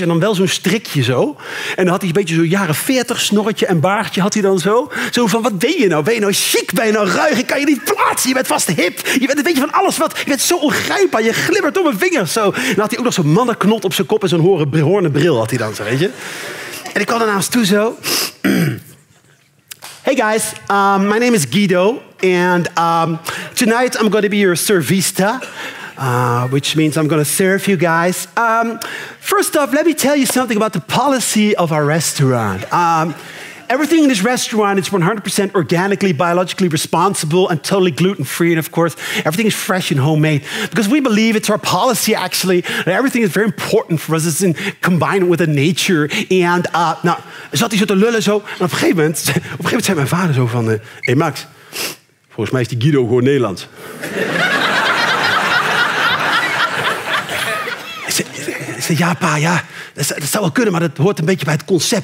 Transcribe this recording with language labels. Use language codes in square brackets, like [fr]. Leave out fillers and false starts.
[nl] En dan wel zo'n strikje zo. En dan had hij een beetje zo'n jaren 40 snorretje en baardje had hij dan zo. Zo van, wat deed je nou? Ben je nou chic? Ben je nou ruig? Ik kan je niet plaatsen. Je bent vast hip. Je bent een beetje van alles wat. Je bent zo ongrijpbaar. Je glibbert door mijn vingers zo. En dan had hij ook nog zo'n mannenknot op zijn kop en zo'n hoornen bril had hij dan zo, weet je. En ik kwam daarnaast toe zo. [en] Hey guys, my name is Guido, and tonight I'm going to be your servista, which means I'm going to serve you guys. First off, let me tell you something about the policy of our restaurant. Everything in this restaurant is 100% organically, biologically responsible and totally gluten-free. And of course, everything is fresh and homemade because we believe it's our policy, actually, that everything is very important for us. It's in combined with the nature. [nl] And nou, zat hij zo te lullen zo. En op een gegeven moment zei mijn vader zo van, hey Max, volgens mij is die Guido gewoon Nederlands. Ik zei, ja pa, ja. Dat zou wel kunnen, maar dat hoort een beetje bij het concept.